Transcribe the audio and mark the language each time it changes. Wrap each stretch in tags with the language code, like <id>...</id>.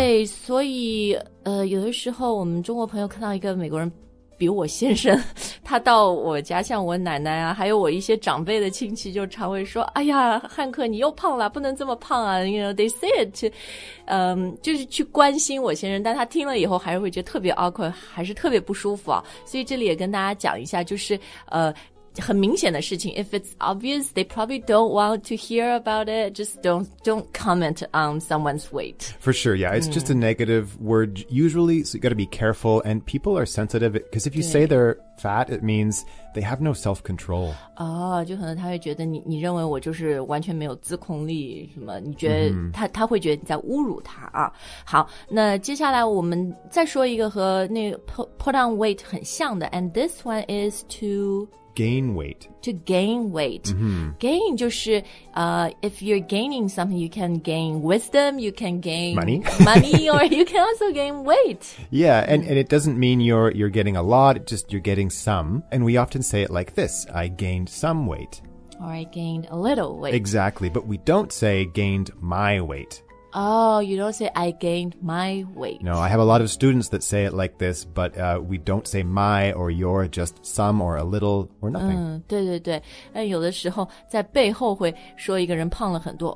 <zh>对，所以有的时候我们中国朋友看到一个美国人比我先生他到我家，像我奶奶啊还有我一些长辈的亲戚就常会说，哎呀汉克你又胖了，不能这么胖啊，</zh> <en>you know, they say it to,</en> <zh>就是去关心我先生，但他听了以后还是会觉得特别 awkward, 还是特别不舒服啊。所以这里也跟大家讲一下，就是很明显的事情</zh> <en>If it's obvious, they probably don't want to hear about it. Just don't comment on someone's weight. For sure, yeah. It's just a negative word usually, so you got to be careful. And people are sensitive because if you say they're fat, it means they have no self-control.</en> <zh>Oh, 就可能他会觉得你认为我就是完全没有自控力什么，你觉得他会觉得你在侮辱他啊。好，那接下来我们再说一个和那个 put on weight 很像的</zh> <en>and this one is to... Gain weight. To gain weight.、 Mm-hmm. Gain</en> <zh>就是、</zh> <en>if you're gaining something, you can gain wisdom, you can gain money, or you can also gain weight. Yeah, and it doesn't mean you're getting a lot, just you're getting some. And we often say it like this, I gained some weight. Or I gained a little weight. Exactly, but we don't say gained my weight. Oh, you don't say, I gained my weight. No, I have a lot of students that say it like this, but、we don't say my or your, just some or a little or nothing.、</en> <zh>对对对。但有的时候在背后会说一个人胖了很多。</zh>